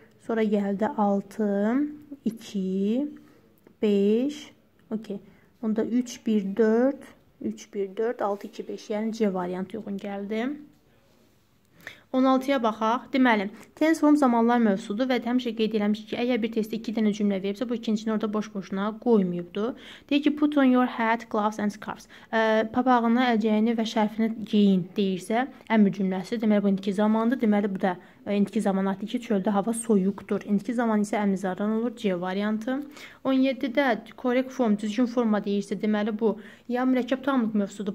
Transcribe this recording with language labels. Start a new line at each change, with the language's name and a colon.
Azerbaijani: Sonra gəldi 6, 2, 5. Okey. Onda 3, 1, 4, 3, 1, 4, 6, 2, 5. Yəni C variantı uyğun gəldi. 16-ya baxaq. Deməli, tense form zamanlar mövzudur və həmişə qeyd eləmişik ki, əgər bir testdə 2 dənə cümlə veribsə, bu ikincini orada boş-boşuna qoymayıbdır. Deyir ki,
English: put on your hat, gloves and scarves.
Azerbaijani: Papağını, əlcəyini və şərfini geyin deyirsə, əmr cümləsi. Deməli, bu indiki zamandır. Deməli, bu da indiki zaman artıq ki, çöldə hava soyuqdur. İndiki zaman isə əmizaran olur. C variantı. 17-də correct form, düzgün forma deyirsə, deməli bu ya mürəkkəb tamlıq mövzudur.